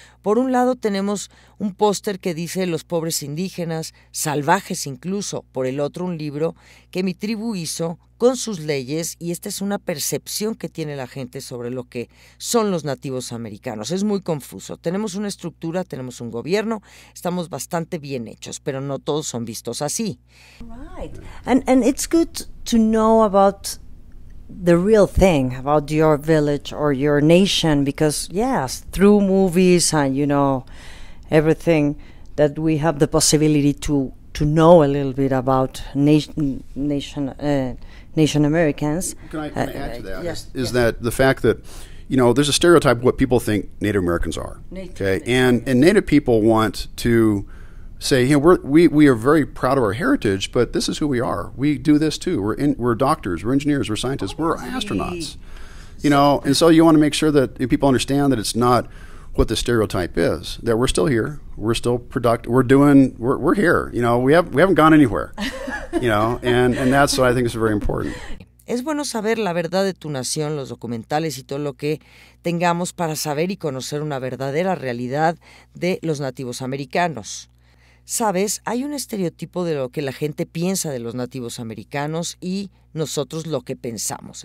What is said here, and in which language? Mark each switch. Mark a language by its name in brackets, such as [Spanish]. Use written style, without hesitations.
[Spanish] Por un lado tenemos un póster que dice los pobres indígenas, salvajes incluso, por el otro un libro que mi tribu hizo con sus leyes y esta es una percepción que tiene la gente sobre lo que son los nativos americanos. Es muy confuso. Tenemos una estructura, tenemos un gobierno, estamos bastante bien hechos, pero no todos son vistos así. [English] Right. And it's good to know about the real thing about your village or your nation, because yes, through movies and, you know, everything that we have the possibility to know a little bit about nation Americans. Can I add to that? Yes. That the fact that, you know, there's a stereotype of what people think Native Americans are. And Native people want to say, you know, we are very proud of our heritage, but this is who we are. We do this too. We're doctors, we're engineers, we're scientists, we're astronauts. And so you want to make sure that people understand that it's not what the stereotype is, that we're still here, we're still productive, we're here. You know, we haven't gone anywhere. and that's what I think is very important. [Spanish] Es bueno saber la verdad de tu nación, los documentales y todo lo que tengamos para saber y conocer una verdadera realidad de los nativos americanos. Sabes, hay un estereotipo de lo que la gente piensa de los nativos americanos y nosotros lo que pensamos.